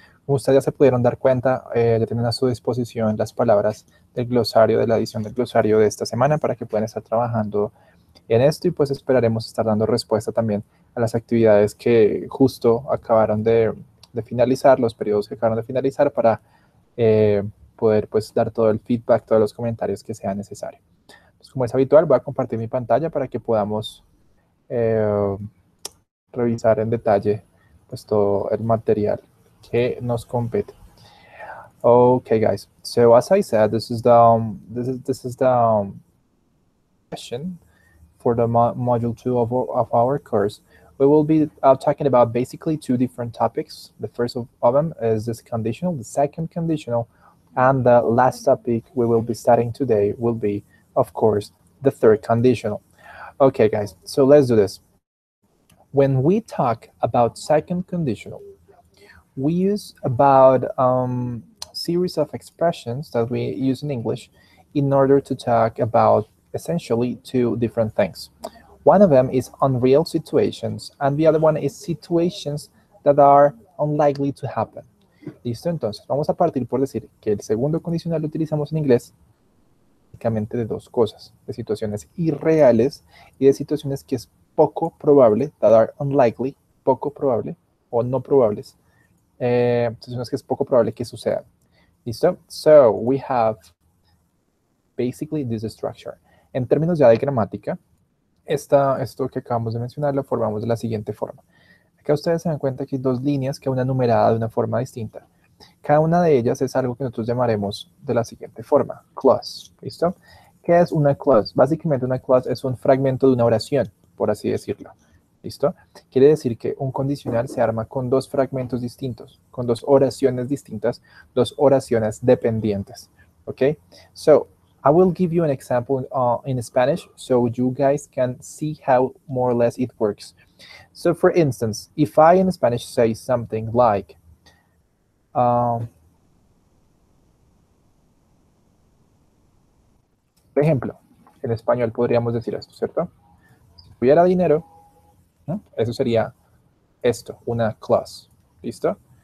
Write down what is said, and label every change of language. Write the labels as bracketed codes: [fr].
[es] Como ustedes ya se pudieron dar cuenta, ya tienen a su disposición las palabras del glosario, de la edición del glosario de esta semana para que puedan estar trabajando en esto y pues esperaremos estar dando respuesta también a las actividades que justo acabaron de finalizar, los periodos que acabaron de finalizar para poder pues dar todo el feedback, todos los comentarios que sea necesario. Pues como es habitual, voy a compartir mi pantalla para que podamos revisar en detalle pues todo el material que nos compete. [en] Okay, guys. So as I said, this is the session for the module two of our course. We will be talking about basically two different topics. The first of them is this conditional, the second conditional, and the last topic we will be studying today will be, of course, the third conditional. Okay, guys. So let's do this. When we talk about second conditional, we use about a series of expressions that we use in English in order to talk about essentially two different things. One of them is unreal situations, and the other one is situations that are unlikely to happen. [es] Listo, entonces, vamos a partir por decir que el segundo condicional lo utilizamos en inglés básicamente de dos cosas, de situaciones irreales y de situaciones que es poco probable, [en] that are unlikely, [es] poco probable o no probables. Situaciones que es poco probable que suceda. ¿Listo? [en] So, we have basically this structure. [es] En términos ya de gramática, esto que acabamos de mencionar lo formamos de la siguiente forma. Acá ustedes se dan cuenta que hay dos líneas que una numerada de una forma distinta. Cada una de ellas es algo que nosotros llamaremos de la siguiente forma, clause. ¿Listo? ¿Qué es una clause? Básicamente una clause es un fragmento de una oración, por así decirlo. ¿Listo? Quiere decir que un condicional se arma con dos fragmentos distintos, con dos oraciones distintas, dos oraciones dependientes. [en] Okay? So, I will give you an example in Spanish so you guys can see how more or less it works. So, for instance, if I in Spanish say something like, [es] por ejemplo, en español podríamos decir esto, ¿cierto? Si tuviera dinero, eso sería esto, una clause, ¿listo?